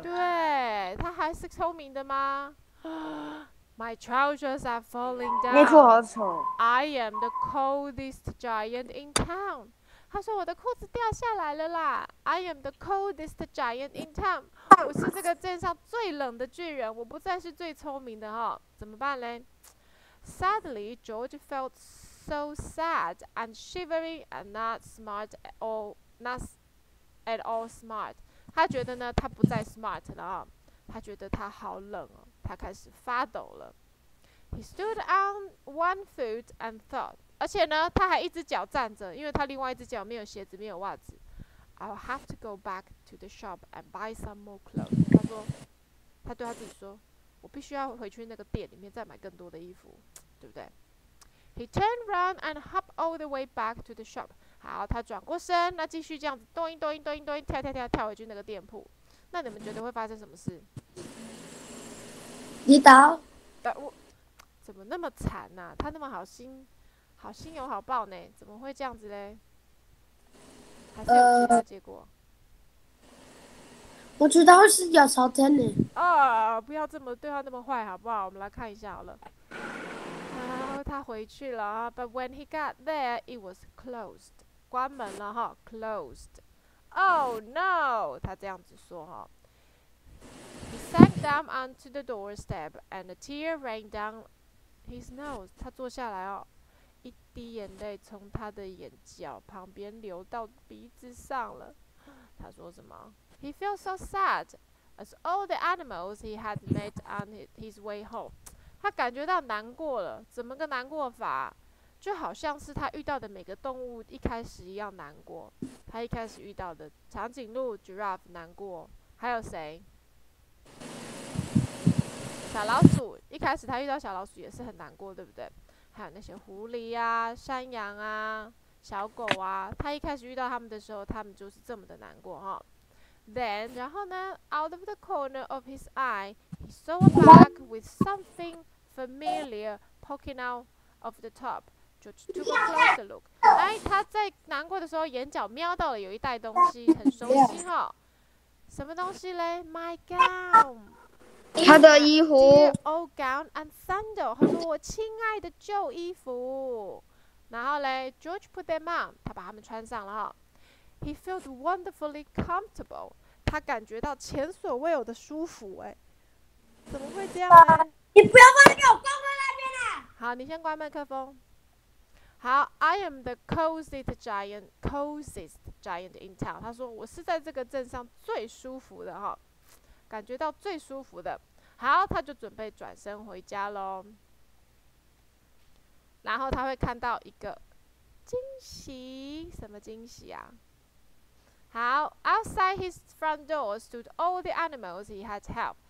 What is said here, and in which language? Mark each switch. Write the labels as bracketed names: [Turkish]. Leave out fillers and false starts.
[Chinese] 对，它还是聪明的吗？ [English] My trousers are falling down. [Chinese] 内裤好丑。 [English] I am the coldest giant in town. [Chinese] 他说我的裤子掉下来了啦。 [English] I am the coldest giant in town. [Chinese] 我是这个镇上最冷的巨人，我不再是最聪明的哈。怎么办嘞 [English] ？Suddenly, George felt so sad and shivering and not smart at all. Not at all smart. [Chinese] 他觉得呢，他不再 smart 了啊。他觉得他好冷哦。他开始发抖了。 [English] He stood on one foot and thought. [Chinese] 而且呢，他还一只脚站着，因为他另外一只脚没有鞋子，没有袜子。 [English] I'll have to go back to the shop and buy some more clothes. [Chinese] 他说，他对他自己说，我必须要回去那个店里面再买更多的衣服，对不对？ [English] He turned around and hopped all the way back to the shop. [Chinese] 好，他转过身，那继续这样子咚一咚一咚一咚一跳跳跳跳回去那个店铺。那你们觉得会发生什么事？你倒，倒我，怎么那么惨啊？他那么好心，好心有好报呢，怎么会这样子嘞？还是有其他结果？我知道是鸟巢真的。哦，不要这么对他那么坏好不好？我们来看一下好了。啊，他回去了啊。 [English] But when he got there, it was closed. [Chinese] 关门了哈 ， [English] closed. Oh no! [Chinese] 他这样子说哈。 [English] He sank down onto the doorstep, and a tear ran down his nose. [Chinese] 他坐下来哦，一滴眼泪从他的眼角旁边流到鼻子上了。他说什么？ [English] He felt so sad as all the animals he had met on his way home. [Chinese] 他感觉到难过了，怎么个难过法？就好像是他遇到的每个动物一开始一样难过。他一开始遇到的长颈鹿 giraffe 难过，还有谁？小老鼠，一开始他遇到小老鼠也是很难过，对不对？还有那些狐狸啊、山羊啊、小狗啊，他一开始遇到他们的时候，他们就是这么的难过哈。 [English] Then, [Chinese] 然后呢, [English] out of the corner of his eye, he saw a bug with something familiar poking out of the top. 就 took a closer look. [Chinese] 哎，他在难过的时候，眼角瞄到了有一袋东西，很熟悉哈。什么东西嘞? [English] My gown. [Chinese] 他的衣服。 [English] Old gown and sandal. [Chinese] 他说我亲爱的旧衣服。然后嘞, [English] George put them on. [Chinese] 他把他们穿上了哈。 [English] He felt wonderfully comfortable. [Chinese] 他感觉到前所未有的舒服欸。怎么会这样呢？你不要关掉，关在那边啦。好，你先关麦克风。好 [English] ，I am the coziest giant in town. [Chinese] 他说我是在这个镇上最舒服的哈，感觉到最舒服的。好，他就准备转身回家喽。然后他会看到一个惊喜，什么惊喜啊？好 [English] ，outside his front door stood all the animals he had helped.